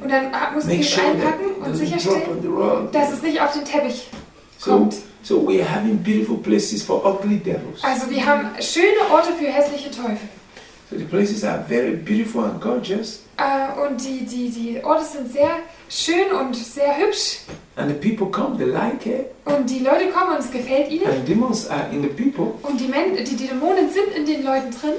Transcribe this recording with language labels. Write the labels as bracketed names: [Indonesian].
[German] Und dann muss ich es einpacken und sicherstellen, dass es nicht auf den Teppich kommt. [English] So we are having beautiful places for ugly devils. [German] Also wir haben schöne Orte für hässliche Teufel. [English] So the places are very beautiful and gorgeous. [German] Und die Orte sind sehr schön und sehr hübsch. [English] And the people come, they like it. [German] Und die Leute kommen und es gefällt ihnen. [English] And demons are in the people. [German] Und die Dämonen sind in den Leuten drin.